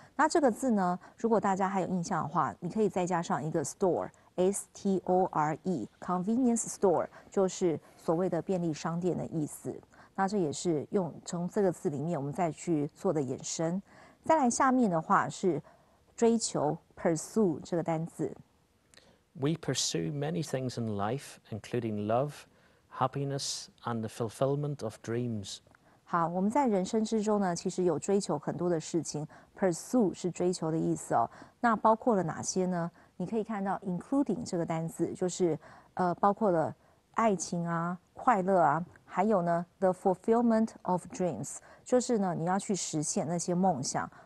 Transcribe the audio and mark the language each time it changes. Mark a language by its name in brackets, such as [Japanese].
[Chinese] 那这个字呢，如果大家还有印象的话，你可以再加上一个 store，store， convenience store 就是所谓的便利商店的意思。那这也是用从这个字里面我们再去做的衍生。再来下面的话是追求 pursue 这个单字。 [English] We pursue many things in life, including love, happiness, and the fulfillment of dreams. [Chinese] 好，我们在人生之中呢，其实有追求很多的事情。 pursue 是追求的意思哦。那包括了哪些呢？你可以看到 including 这个单字，就是包括了爱情啊、快乐啊。还有呢 ， [English] the fulfillment of dreams， [Chinese] 就是呢，你要去实现那些梦想。